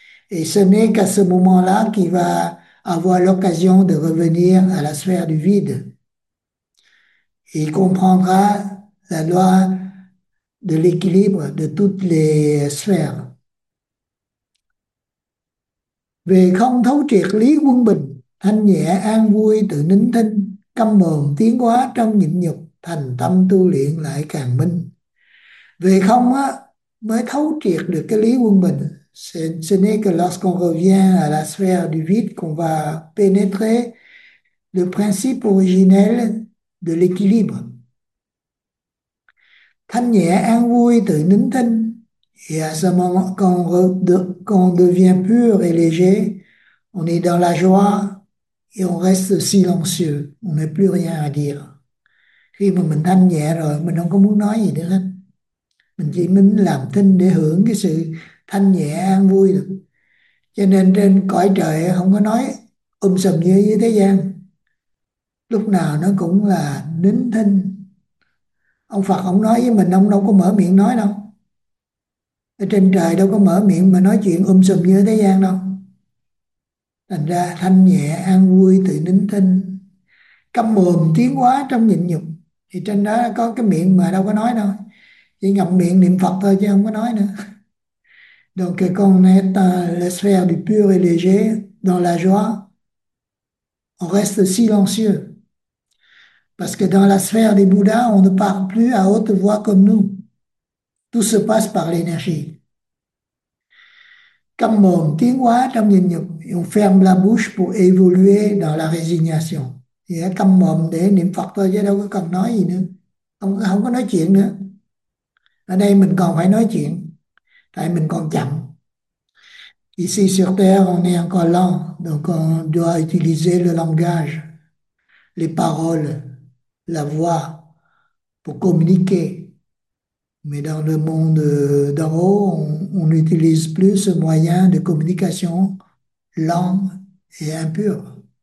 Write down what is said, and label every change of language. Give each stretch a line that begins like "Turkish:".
French: Et ce n'est qu'à ce moment-là qu'il va avoir l'occasion de revenir à la sphère du vide. Il comprendra la loi de l'équilibre de toutes les sphères.
Vietnamese: Về không thấu triệt lý quân bình, thanh nhẹ an vui tự nín thinh, câm mồm tiến hóa trong nhịn nhục, thành tâm tu luyện lại càn minh. Về không á, mới thấu triệt được cái lý quân bình.
French: Ce n'est que lorsqu'on revient à la sphère du vide qu'on va pénétrer le principe originel de l'équilibre.
Vietnamese: Thanh nhẹ an vui tự nín thinh.
French: Et à ce moment qu'on devient pur et léger, on est dans la joie et on reste silencieux. On n'a plus rien à dire.
Vietnamese: Khi mà mình thanh nhẹ rồi, mình không có muốn nói gì nữa hết. Mình chỉ muốn làm thinh để hưởng cái sự thanh nhẹ an vui được. Cho nên trên cõi trời không có nói sùm như dưới thế gian. Lúc nào nó cũng là nín thinh. Ông Phật không nói với mình, ông đâu có mở miệng nói đâu. Ở trên trời đâu có mở miệng mà nói chuyện sùm như thế gian đâu. Thành ra thanh nhẹ an vui tự nín thinh. Câm mồm tiến hóa trong nhịn nhục. Thì trên đó có cái miệng mà đâu có nói đâu. Chỉ ngậm miệng niệm Phật thôi chứ không có nói nữa.
French: Donc quand on est dans la sphère du pur et léger, dans la joie, on reste silencieux. Parce que dans la sphère des Bouddhas, on ne parle plus à haute voix comme nous. Tout se passe par l'énergie.
Vietnamese: Câm mồm tiến hóa trong nhịn nhục,
French: et on ferme la bouche pour évoluer dans la résignation.
Vietnamese: Et câm mồm để niệm Phật thôi chứ đâu có cần nói gì nữa. Không có nói chuyện nữa. Ở đây mình còn phải nói chuyện, tại mình còn chậm.
French: Ici sur Terre, on est encore lent, donc on doit utiliser le langage, les paroles, la voix pour communiquer. Mais dans le monde d'en haut, on n'utilise plus ce moyen de communication lent et impur.